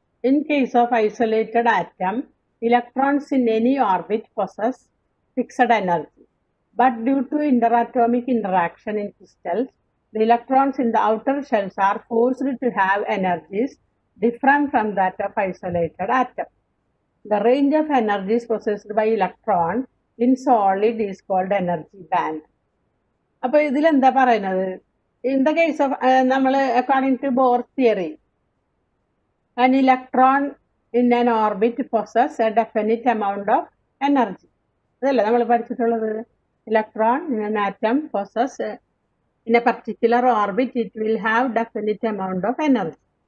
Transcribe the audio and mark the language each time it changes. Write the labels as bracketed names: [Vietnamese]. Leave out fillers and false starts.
[English] In case of isolated atom, electrons in any orbit possess fixed energy. But due to interatomic interaction in crystals, the electrons in the outer shells are forced to have energies different from that of isolated atom. The range of energies possessed by electron in solid is called energy band. [Malayalam] അപ്പോൾ ഇതിലെന്താ പറയുന്നത്? [English] In the case of നമ്മൾ according to Bohr theory, an electron in an orbit possess a definite amount of energy. [Malayalam] അതല്ലേ നമ്മൾ പഠിച്ചിട്ടുള്ളത്? [English] Electron in an atom possess in a particular orbit it will have definite amount of energy.